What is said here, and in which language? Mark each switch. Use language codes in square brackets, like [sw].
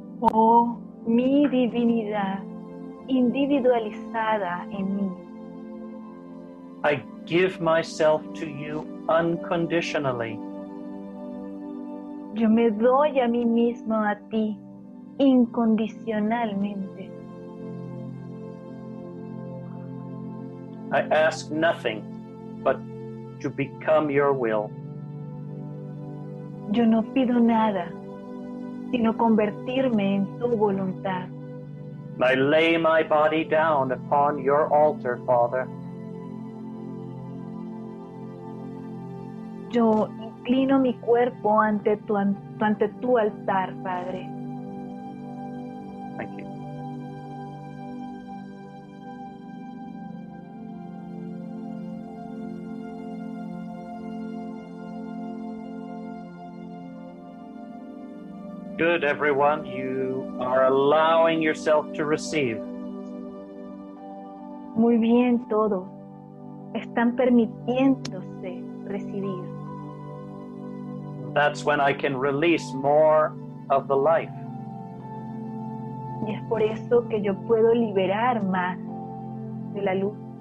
[es] Oh, mi divinidad individualizada en mí. [en] I give myself to you unconditionally. [es] Yo me doy a mí mismo a ti incondicionalmente. [en] I ask nothing but to become your will. [es] Yo no pido nada, sino convertirme en tu voluntad. [en] I lay my body down upon your altar, Father. [es] Yo inclino mi cuerpo ante tu altar, Padre. [en] Thank you. Good, everyone. You are allowing yourself to receive. [es] Muy bien, todos. Están permitiéndose recibir. [en] That's when I can release more of the life. [es] Y es por eso que yo puedo liberar más de la luz.